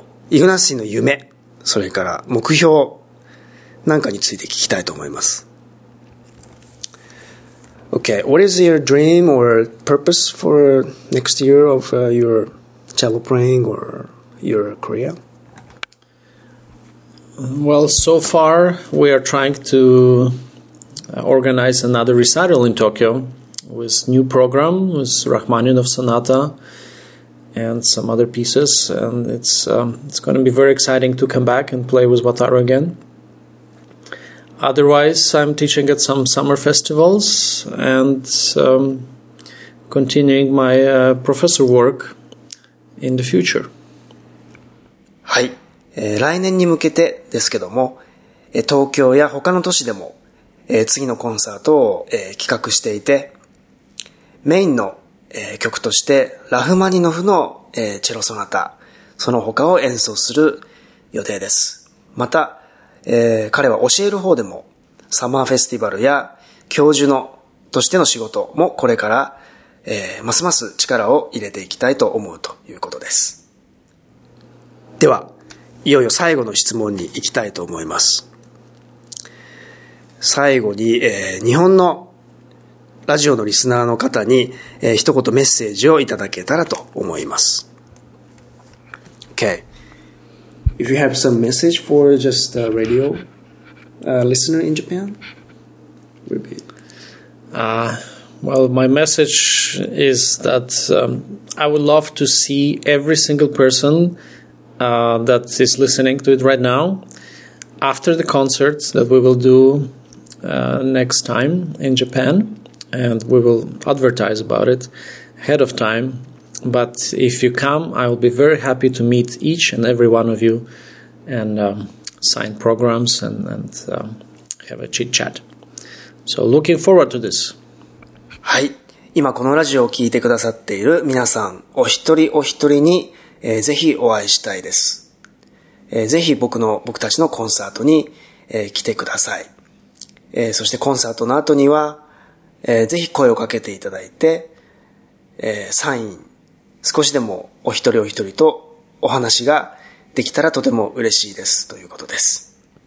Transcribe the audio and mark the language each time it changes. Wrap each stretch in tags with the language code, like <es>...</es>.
<ja>イグナッシーの夢、それから目標なんかについて聞きたいと思います。</ja> <en>Okay, what is your dream or purpose for next year of your cello playing or your career? Well, so far we are trying to organize another recital in Tokyo with new program with Rachmaninoff Sonata and some other pieces, and it's going to be very exciting to come back and play with Wataru again. Otherwise, I'm teaching at some summer festivals and continuing my professor work in the future.</en> <ja>はい、来年に向けてですけども、東京や他の都市でも、次のコンサートを、企画していて、メインの曲としてラフマニノフのチェロソナタ、その他を演奏する予定です。また、彼は教える方でもサマーフェスティバルや教授のとしての仕事もこれから、ますます力を入れていきたいと思うということです。では、いよいよ最後の質問に行きたいと思います。最後に、日本のラジオのリスナーの方に、一言メッセージをいただけたらと思います。</ja> <en>Okay. If you have some message for just the radio listener in Japan, repeat. Well, my message is that I would love to see every single person that is listening to it right now after the concert that we will do next time in Japan. And we will advertise about it ahead of time. But if you come, I will be very happy to meet each and every one of you and sign programs and have a chit chat. So looking forward to this.</en> <ja>はい。今このラジオを聞いてくださっている皆さん、お一人お一人に、ぜひお会いしたいです。ぜひ僕たちのコンサートに、来てください。そしてコンサートの後には、ぜひ声をかけていただいて、サイン、少しでもお一人お一人とお話ができたらとても嬉しいですということです。</ja>